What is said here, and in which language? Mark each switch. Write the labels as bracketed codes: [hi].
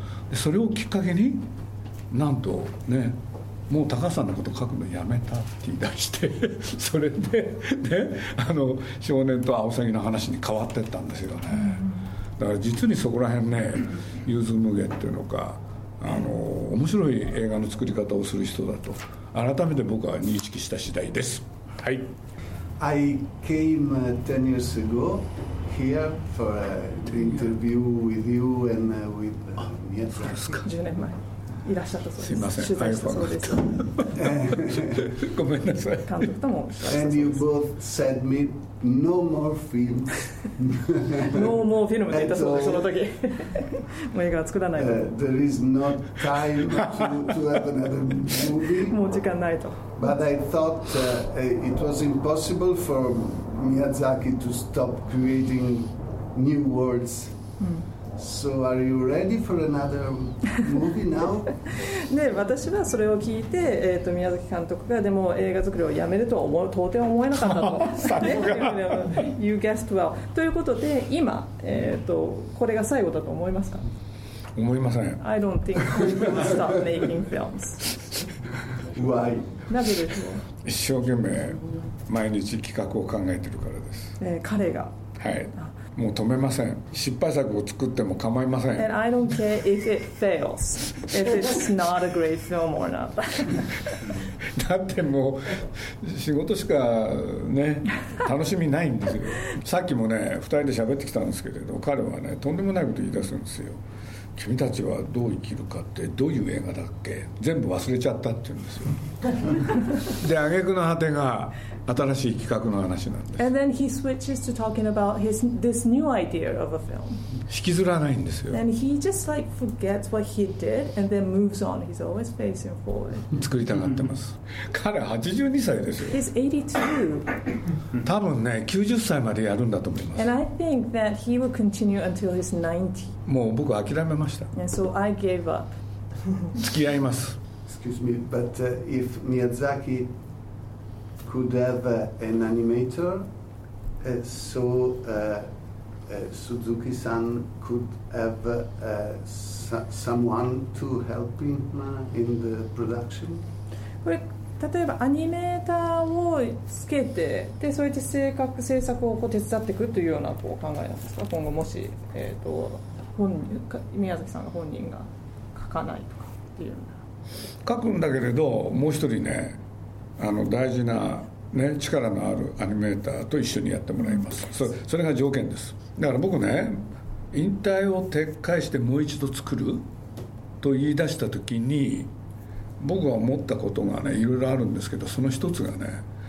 [ja] でそれをきっかけに、なんとね、もう高さんのこと書くのやめたって言い出してそれで、ね、少年とアオサギの話に変わってったんですよね。だから実にそこら辺ね、ゆずむげっていうのか、面白い映画の作り方をする人だと改めて僕は認識した次第です。はい。 [en] I came 10 years ago here for an interview with you and with Miyazaki. [ja] 10年前いらっしゃったそうです。すいません、取材したそうです。ごめんなさい。監督とも。 [en] And you both said me no more film. No more film [ja] って言ったそうです、その時。もう映画は作らないと。 [en] There is no time to have another movie. [ja] もう時間ないと。 [en] But I thought it was impossible for Miyazaki to stop creating new worlds. So are you ready for another movie now? [ja] で私はそれを聞いて、宮崎監督がでも映画作りをやめるとは思う、到底思えなかったと。ね、 [en] you guessed well. [ja] ということで今、これが最後だと思いますか？思いません。 [en] I don't think we will stop making films. Why? [ja] なぜでしょう？一生懸命毎日企画を考えてるからです。彼が。はい。もう止めません。失敗作を作っても構いません。 [en] And I don't care if it fails if it's not a great film or not. [ja] だってもう仕事しかね、楽しみないんですよ。さっきもね、2人で喋ってきたんですけれど、彼はね、とんでもないこと言い出すんですよ。君たちはどう生きるかってどういう映画だっけ、全部忘れちゃったって言うんですよ。で挙句の果てが新しい企画の話なんです。 [en] And then he switches to talking about his, this new idea of a film. [ja] 引きずらないんですよ。 [en] And he just like forgets what he did and then moves on. He's always facing forward. [ja] 作りたがってます。彼82歳ですよ。 [en] He's 82. [ja] 多分ね、90歳までやるんだと思います。 [en] And I think that he will continue until he's 90. [ja] もう僕諦めました。 [en] And so I gave up. [ja] 付き合います。 [en] excuse me, but if Miyazaki could have an animator, so Suzuki-san could have someone to help him in the production? [ja] これ例えばアニメーターをつけてでそうやって制作制作をこう手伝っていくというようなこう考えなんですか今後もし、本宮崎さんの本人が書かないとかっていうような書くんだけれどもう一人ねあの大事な、ね、力のあるアニメーターと一緒にやってもらいます それが条件ですだから僕ね引退を撤回してもう一度作ると言い出した時に僕は思ったことがねいろいろあるんですけどその一つがね